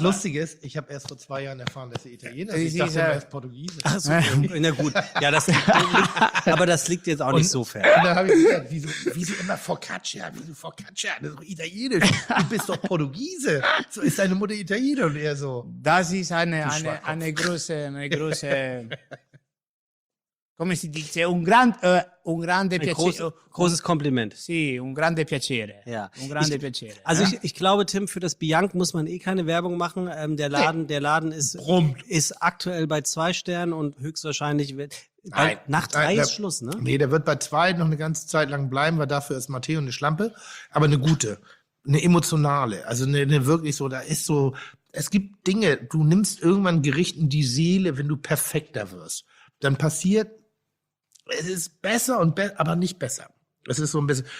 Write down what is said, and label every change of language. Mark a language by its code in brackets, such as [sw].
[de] Das Lustige ist, ich habe erst vor 2 Jahren erfahren, dass er Italiener ist. Ich dachte, er ist Portugiese. Ach so, okay. Na gut. Ja, das liegt, aber das liegt jetzt auch nicht so fern. Und dann habe ich gesagt, wieso immer Focaccia? Wieso Focaccia? Das ist doch Italienisch. Du bist doch Portugiese. So ist deine Mutter Italiener und er so. Das ist eine große. [it] Come si dice, un grande piacere, [de] großes Kompliment. [it] Sì, un grande piacere. [de] Ja. [it] Un grande piacere. [de] Also ja? Ich glaube, Tim, für das Bianc muss man keine Werbung machen. Der Laden ist aktuell bei 2 Sternen und höchstwahrscheinlich wird nach 3 ist Schluss, ne? Nee, der wird bei 2 noch eine ganze Zeit lang bleiben, weil dafür ist Matteo eine Schlampe. Aber eine gute, eine emotionale. Also eine wirklich so, da ist so, es gibt Dinge, du nimmst irgendwann Gerichten die Seele, wenn du perfekter wirst. Dann passiert, es ist besser, aber nicht besser. Das ist so ein bisschen.